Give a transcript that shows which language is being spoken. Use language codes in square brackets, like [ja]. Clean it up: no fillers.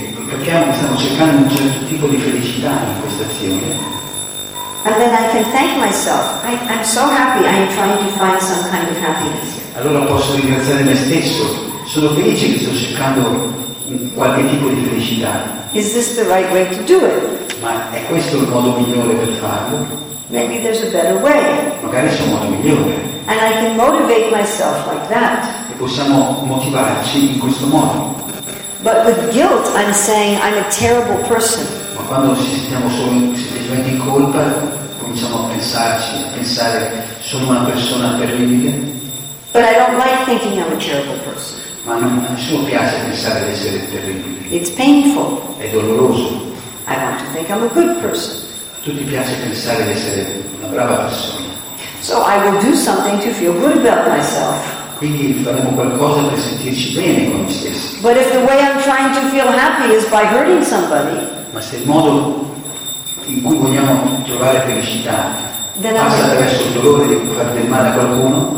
[it] Capiamo, stiamo cercando un certo tipo di felicità in questa azione. [en] And then I can thank myself. I'm so happy. I am trying to find some kind of happiness. [it] Allora posso ringraziare me stesso. Sono felice che sto cercando qualche tipo di felicità. [en] Is this the right way to do it? [it] Ma è questo il modo migliore per farlo? [en] Maybe there's a better way. [it] Magari c'è un modo migliore. [en] And I can motivate myself like that. [it] E possiamo motivarci in questo modo. [en] But with guilt, I'm saying I'm a terrible person. [it] Ma quando ci sentiamo solo semplicemente in colpa, cominciamo a pensarci, a pensare sono una persona terribile. [en] But I don't like thinking I'm a terrible person. [it] Ma non mi piace pensare di essere terribile. [en] It's painful. [it] È doloroso. [en] I want to think I'm a good person. [it] Tutti piace pensare di essere una brava persona. [en] So I will do something to feel good about myself. [it] Quindi faremo qualcosa per sentirci bene con noi stessi. [en] But if the way I'm trying to feel happy is by hurting somebody. [it] Ma se il modo in cui vogliamo trovare felicità passa attraverso il dolore di far del male a qualcuno,